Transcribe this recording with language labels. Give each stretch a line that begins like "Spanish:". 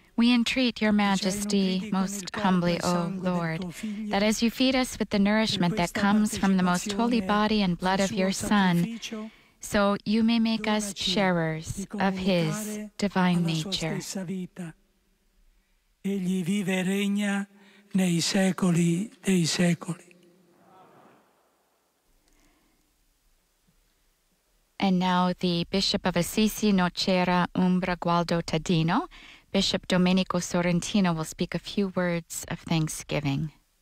English: We entreat your majesty most humbly, O Lord, that as you feed us with the nourishment that comes from the most holy body and blood of your Son, so you may make us sharers of his divine nature.
Italian: Egli vive e regna nei secoli dei secoli.
English: And now the Bishop of Assisi, Nocera Umbra Gualdo Tadino, Bishop Domenico Sorrentino, will speak a few words of thanksgiving.